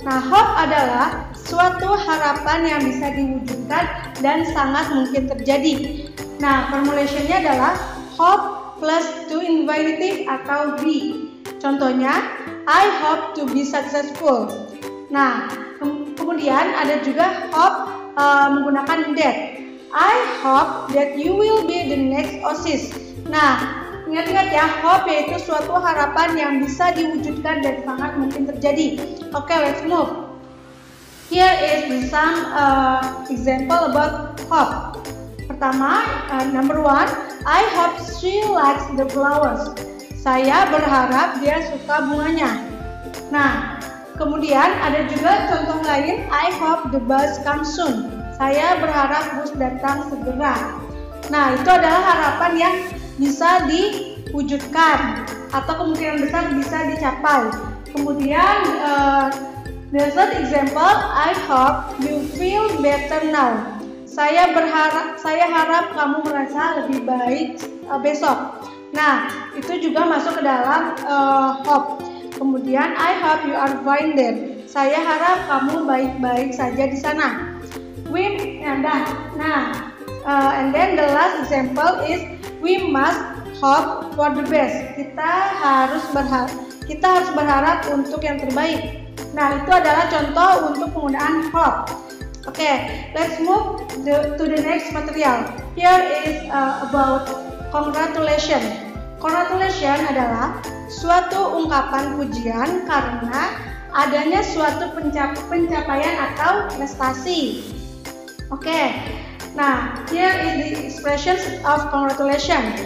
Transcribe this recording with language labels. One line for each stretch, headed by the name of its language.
Indonesian: Nah, hope adalah suatu harapan yang bisa diwujudkan dan sangat mungkin terjadi. Nah, formulationnya adalah hope plus to infinitive atau be. Contohnya,
English: I hope to be successful.
Indonesian: Nah, kemudian ada juga hope menggunakan that.
English: I hope that you will be the next OSIS.
Indonesian: Nah, ingat-ingat ya, hope yaitu suatu harapan yang bisa diwujudkan dan sangat mungkin terjadi.
English: Okay, let's move. Here is some example about hope.
Indonesian: Pertama,
English: number one, I hope she likes the flowers.
Indonesian: Saya berharap dia suka bunganya. Nah, kemudian ada juga contoh lain,
English: I hope the bus comes soon.
Indonesian: Saya berharap bus datang segera. Nah, itu adalah harapan yang bisa diwujudkan atau kemungkinan besar bisa dicapai. Kemudian
English: next example, I hope you feel better now.
Indonesian: Saya harap kamu merasa lebih baik besok. Nah, itu juga masuk ke dalam hope. Kemudian
English: I hope you are fine there.
Indonesian: Saya harap kamu baik-baik saja di sana.
English: And then the last example is we must hope for the best.
Indonesian: Kita harus berharap untuk yang terbaik. Nah, itu adalah contoh untuk penggunaan hope.
English: Okay, let's move to the next material. Here is about congratulation.
Indonesian: Congratulation adalah suatu ungkapan pujian karena adanya suatu pencapaian atau prestasi.
English: Okay, nah, here is the expressions of congratulation.